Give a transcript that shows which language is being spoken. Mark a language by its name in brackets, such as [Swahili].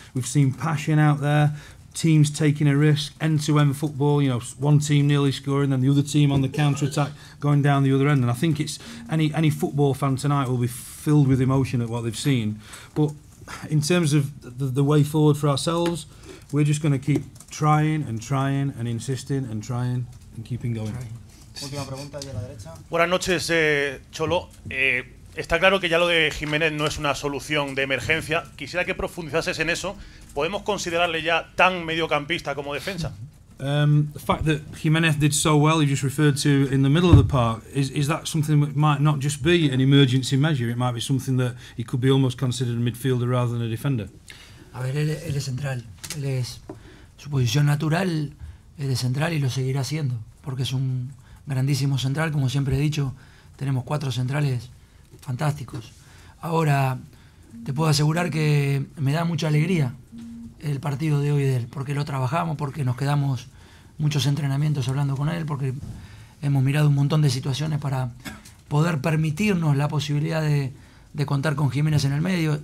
[English] We've seen passion out there, teams taking a risk, end-to-end football, you know, one team nearly scoring, then the other team on the counter-attack going down the other end. And I think it's any football fan tonight will be filled with emotion at what they've seen. But in terms of the way forward for ourselves, we're just going to keep trying and trying and insisting and trying and keeping going. [Spanish] Última pregunta de la derecha. Buenas noches, Cholo. Está claro que ya lo de Jiménez no es una solución de emergencia. Quisiera que profundizases en eso. ¿Podemos considerarle ya tan mediocampista como defensa? [English] The fact that Jiménez did so well, you just referred to in the middle of the park, is that something that might not just be an emergency measure? It might be something that he could be almost considered a midfielder rather than a defender. [Spanish] A ver, él es central. Él es, su posición natural es de central y lo seguirá siendo, porque es un grandísimo central. Como siempre he dicho, tenemos cuatro centrales fantásticos. Ahora, te puedo asegurar que me da mucha alegría el partido de hoy de él, porque lo trabajamos, porque nos quedamos muchos entrenamientos hablando con él, porque hemos mirado un montón de situaciones para poder permitirnos la posibilidad de contar con Jiménez en el medio.